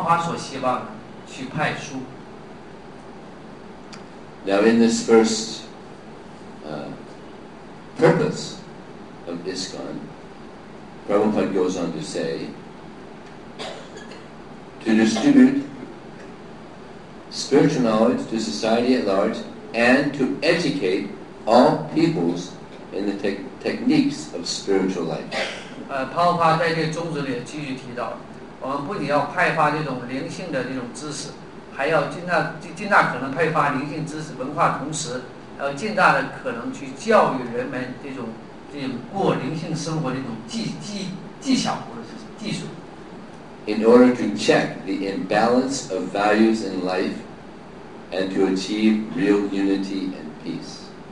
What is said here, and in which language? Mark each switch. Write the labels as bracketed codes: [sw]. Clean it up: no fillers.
[zh] 所以我们感恩泡泡的最好的方法就是按照泡泡所希望的去派书。 [en] Now in this first purpose of ISKCON, Prabhupada goes on to say, to distribute spiritual knowledge to society at large and to educate all peoples in the techniques of spiritual life. [zh] Prabhupada在这个宗旨里继续提到，我们不仅要派发这种灵性的这种知识， 还要尽大可能配发灵性知识文化，同时还要尽大的可能去教育人们这种过灵性生活的这种技巧或者是技术。 [en] In order to check the imbalance of values in life and to achieve real unity and peace.